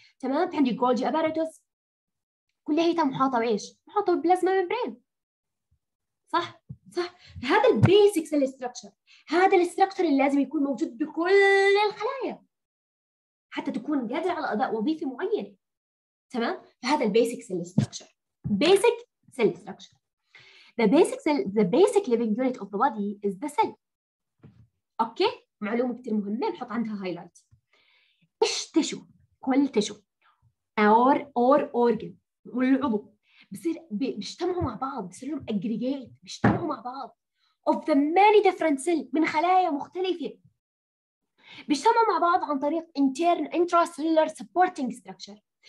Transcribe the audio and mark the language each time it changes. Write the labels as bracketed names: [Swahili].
[Arabic] تمام؟ في عندي جولجي أباراتوس، كلها هي محاطة بإيش؟ محاطة بالبلازما ميمبرين، صح؟ صح؟ هذا البيسك سيل ستراكشر، هذا الستراكشر اللي لازم يكون موجود بكل الخلايا حتى تكون قادرة على أداء وظيفة معينة. تمام؟ فهذا البيسك سيل ستراكشر، بيسك سيل ستراكشر. [English] The basic cell, the basic living unit of the body is the cell. [Arabic] أوكي؟ معلومة كثير مهمة نحط عندها هايلايت. إيش تشو؟ كل تشو أور أورجن والعضو بصير بيجتمعوا مع بعض، بصير لهم اجريجيت، بيجتمعوا مع بعض [English] of the many different cells [Arabic] من خلايا مختلفه، بيجتمعوا مع بعض عن طريق [English] intracellular supporting structure.